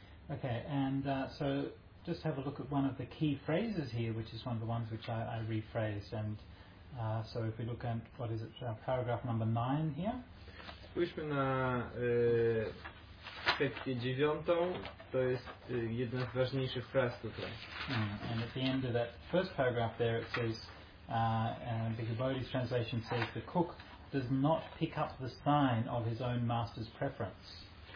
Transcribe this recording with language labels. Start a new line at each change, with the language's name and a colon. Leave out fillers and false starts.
English: Okay, and so just have a look at one of the key phrases here, which is one of the ones which I rephrased. And so if we look at, what is it, paragraph number 9 here?
Polish: Spójrzmy na kwestię dziewiątą. To jest jedna z ważniejszych fraz tutaj.
English: And at the end of that first paragraph there it says, because Bodhi's translation says the cook does not pick up the sign of his own master's preference.